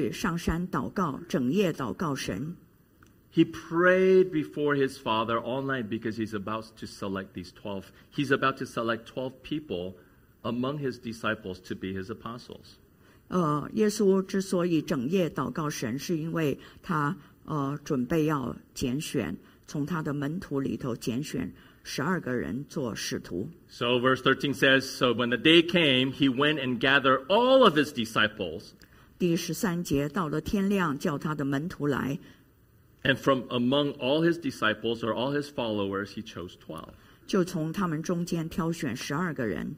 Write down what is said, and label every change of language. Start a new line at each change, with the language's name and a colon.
Chinese: 那时耶稣出去上山祷告，整夜祷告神。
English: He prayed before his father all night because he's about to select these 12. He's about to select 12 people among his disciples to be his apostles.
Chinese: 耶稣之所以整夜祷告神，是因为他准备要拣选从他的门徒里头拣选十二个人做使徒。
English: So verse 13 says, so when the day came, he went and gathered all of his disciples.
Chinese: 第十三节到了天亮叫他的门徒来。
English: And from among all his disciples or all his followers, he chose 12.
Chinese: 就从他们中间挑选十二个人。